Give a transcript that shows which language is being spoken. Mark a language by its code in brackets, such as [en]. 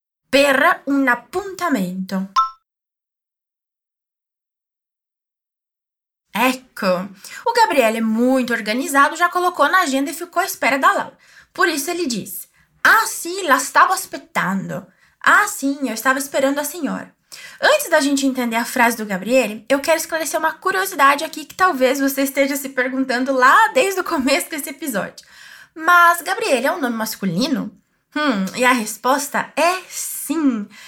[it] Per un appuntamento. Ecco! [pt] O Gabriel é muito organizado, já colocou na agenda e ficou à espera da Laura. Por isso, ele diz. [it] Ah, sim, la stavo aspettando. [pt] Ah, sim, eu estava esperando a senhora. Antes da gente entender a frase do Gabriel, eu quero esclarecer uma curiosidade aqui que talvez você esteja se perguntando lá desde o começo desse episódio. Mas Gabriel é um nome masculino? E a resposta é sim.